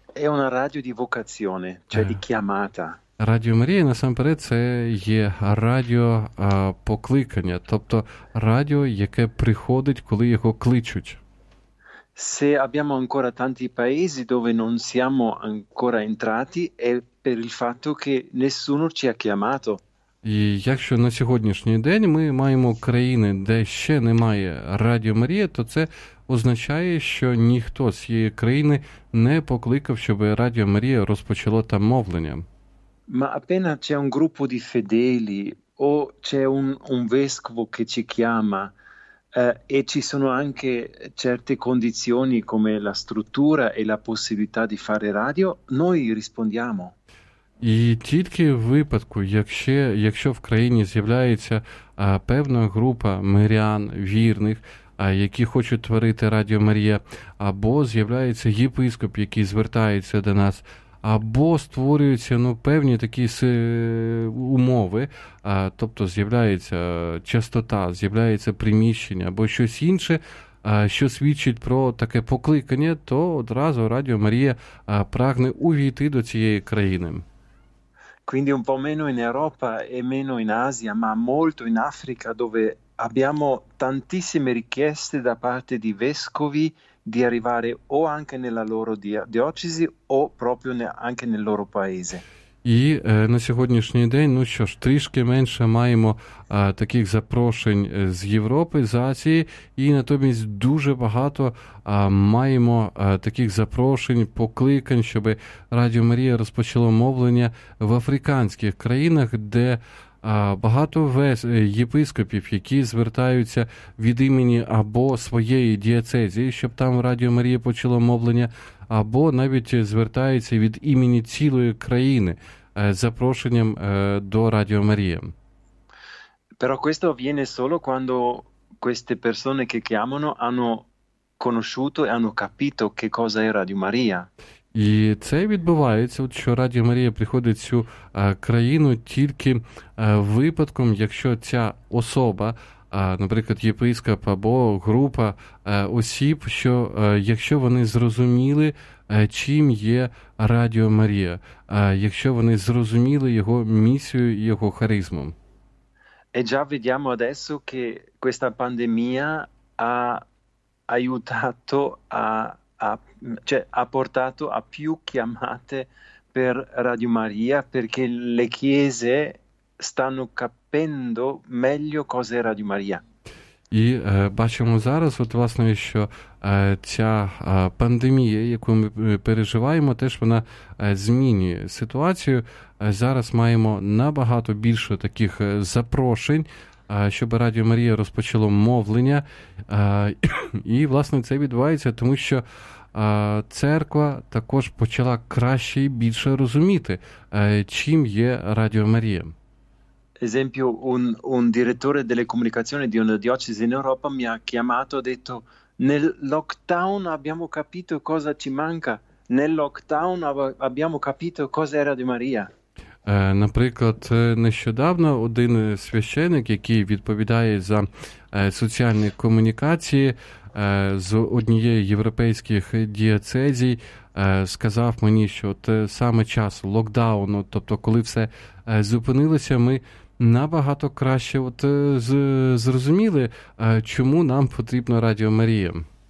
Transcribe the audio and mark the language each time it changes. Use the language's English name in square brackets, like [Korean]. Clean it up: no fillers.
[Italian] È una radio di vocazione, cioè di chiamata. [Ukrainian] Радіо Марія насамперед це є радіо покликання, тобто радіо, яке приходить, коли його кличуть. [Italian] Se abbiamo ancora tanti paesi dove non siamo ancora entrati, è per il fatto che nessuno ci ha chiamato. [Ukrainian] І якщо на сьогоднішній день ми маємо країни, де ще немає Радіо Марія, то це означає, що ніхто з цієї країни не покликав, щоб Радіо Марія розпочало там мовлення. [Italian] Ma appena c'è un gruppo di fedeli o c'è un vescovo che ci chiama, e ci sono anche certe condizioni come la struttura e la possibilità di fare radio, noi rispondiamo. [Ukrainian] І тільки в випадку, якщо в країні з'являється певна група мирян, вірних, які хочуть творити Радіо Марія, або з'являється єпископ, який звертається до нас, або створюються певні такі умови, тобто з'являється частота, з'являється приміщення або щось інше, що свідчить про таке покликання, то одразу Радіо Марія прагне увійти до цієї країни. [Italian] Quindi un po' meno in Europa e meno in Asia, ma molto in Africa, dove abbiamo tantissime richieste da parte di vescovi di arrivare o anche nella loro diocesi o proprio anche nel loro paese. [Ukrainian] І на сьогоднішній день, трішки менше маємо таких запрошень з Європи, з Азії, і натомість дуже багато маємо таких запрошень, покликань, щоб Радіо Марія розпочало мовлення в африканських країнах, де багато єпископів, які звертаються від імені або своєї діецезії, щоб там Радіо Марія почало мовлення, або навіть звертається від імені цілої країни з запрошенням до Радіо Марія. [Italian] Però questo avviene solo quando queste persone che chiamano hanno conosciuto e hanno capito che cosa è Radio Maria. [Ukrainian] І це відбувається, що Радіо Марія приходить в цю країну тільки випадком, якщо ця особа, наприклад, єпископ або група осіб, що якщо вони зрозуміли, чим є Радіо Марія, якщо вони зрозуміли його місію і його харизму. [Italian] E già vediamo adesso che questa pandemia ha aiutato ha portato a più chiamate per Radio Maria, perché le chiese stanno capendo meglio cos'è Radio Maria. [Ukrainian] І бачимо зараз, що ця пандемія, яку ми переживаємо, теж вона змінює ситуацію. Зараз маємо набагато більше таких запрошень, щоб Радіо Марія розпочало мовлення. І, власне, це відбувається, тому що церква також почала краще і більше розуміти, чим є Радіо Марія. [Italian] Esempio, un direttore delle comunicazioni di una diocesi in Europa mi ha chiamato e ha detto: nel lockdown abbiamo capito cosa ci manca, nel lockdown abbiamo capito cosa era di Maria. [Ukrainian] Наприклад, нещодавно один священик, який відповідає за соціальні комунікації з однієї європейських діецезій, сказав мені, що от саме час локдауну, тобто коли все зупинилося, ми набагато краще зрозуміли, чому нам потрібно Радіо Марія.